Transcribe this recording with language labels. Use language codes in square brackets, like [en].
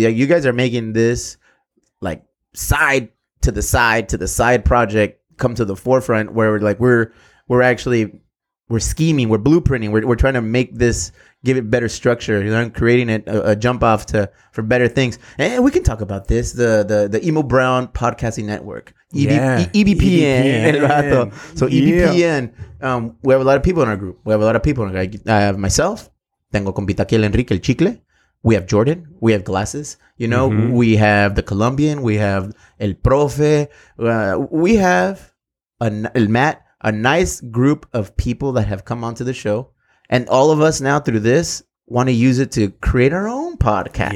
[en] Yeah, you guys are making this like side project come to the forefront where we're scheming, we're blueprinting, we're trying to make this, give it better structure, you know, creating it a jump off for better things. And we can talk about this, the Emo Brown Podcasting Network, EBPN. So EBPN, we have a lot of people in our group. I have myself, [es] tengo compita aquí el Enrique, el Chicle. [en] We have Jordan, we have Glasses, you know, we have the Colombian, we have el Profe, we have el Matt. A nice group of people that have come onto the show. And all of us now through this want to use it to create our own podcast.